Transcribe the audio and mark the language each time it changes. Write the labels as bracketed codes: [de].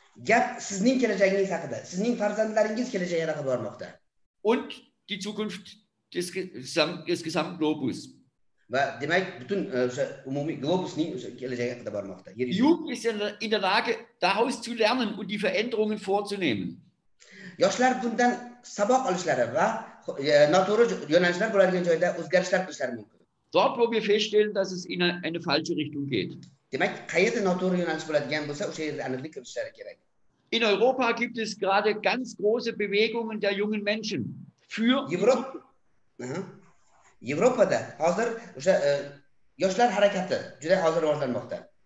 [uz] Gap sizning kelajagingiz haqida, sizning farzandlaringiz kelajagi haqida bormoqda. [de] Und die Zukunft des gesamten Globus. [uz] Va demak butun o'sha umumiy globusning o'sha kelajagi haqida bormoqda. [de] Jugend ist in der Lage daraus zu lernen und die Veränderungen vorzunehmen. [uz] Yoshlar bundan saboq olishlari va noto'g'ri yo'nalishlar bo'ladigan joyda o'zgarishlar qilishlari mumkin. [de] Dort, wo wir feststellen, dass es in eine falsche Richtung geht. [uz] Demak, qayerda noto'g'ri yo'nalish bo'ladigan bo'lsa, o'sha yerda aniqlik kiritishlari kerak. [de] In Europa gibt es gerade ganz große Bewegungen der jungen Menschen für [uz] Yevropada hozir o'sha yoshlar harakati juda hozir rivojlanmoqda.